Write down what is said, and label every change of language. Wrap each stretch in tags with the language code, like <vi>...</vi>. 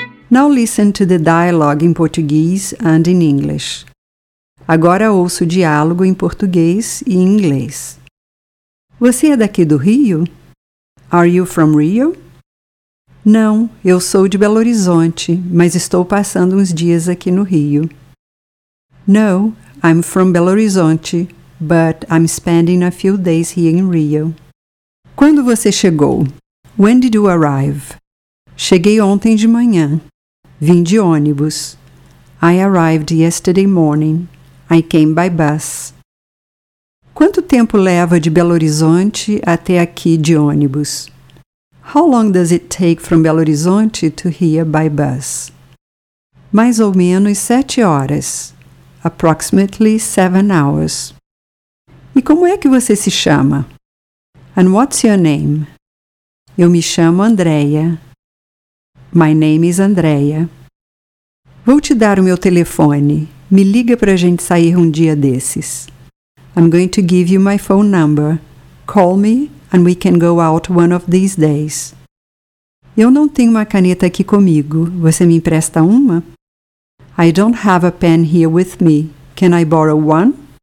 <en>Now listen to the dialogue in Portuguese and in English.</en> <pt>Agora ouço o diálogo em português e em inglês. Você é daqui do Rio?</pt> <en>Are you from Rio?</en> <pt>Não, eu sou de Belo Horizonte, mas estou passando uns dias aqui no Rio.</pt> <en>No, I'm from Belo Horizonte, but I'm spending a few days here in Rio.</en> <pt>Quando você chegou?</pt> <en>When did you arrive?</en> <pt>Cheguei ontem de manhã. Vim de ônibus.</pt> <en>I arrived yesterday morning. I came by bus.</en> <pt>Quanto tempo leva de Belo Horizonte até aqui de ônibus?</pt> <en>How long does it take from Belo Horizonte to here by bus?</en> <pt>Mais ou menos 7 horas.</pt> <en>Approximately 7 hours.</en> <pt>E como é que você se chama?</pt> <en>And what's your name?</en> <pt>Eu me chamo Andrea.</pt> <en>My name is Andrea.</en> <pt>Vou te dar o meu telefone. Me liga para a gente sair um dia desses.</pt> <en>I'm going to give you my phone number. Call me and we can go out one of these days.</en> <pt>Eu não tenho uma caneta aqui comigo. Você me empresta uma?</pt> <en>I don't have a pen here with me. Can I borrow one?</en>